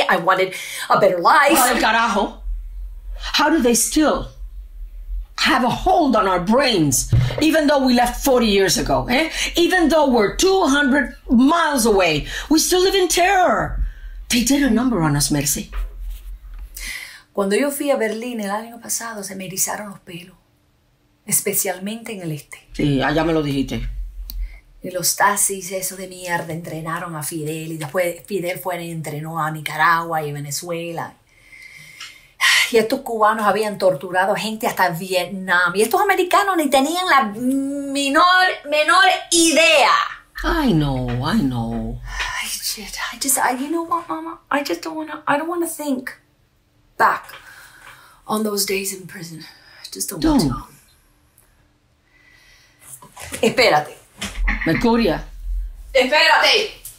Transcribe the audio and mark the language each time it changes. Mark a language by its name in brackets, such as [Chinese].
[English] I wanted a better life. Well, carajo. How do they still have a hold on our brains, even though we left 40 years ago, eh? Even though we're 200 miles away, we still live in terror. They did a number on us, Mercy. [Spanish] Cuando yo fui a Berlín el año pasado, se me erizaron los pelos, especialmente en el este. Sí, allá me lo dijiste. Y los taxis, eso de mierda, entrenaron a Fidel, y después Fidel fue y entrenó a Nicaragua y Venezuela. Y estos cubanos habían torturado gente hasta Vietnam. Y estos americanos ni tenían la menor idea. [English] I know. I don't want to think back on those days in prison. I just don't want to. [Spanish] Espérate. [English] Mercuria. [Spanish] Espérate.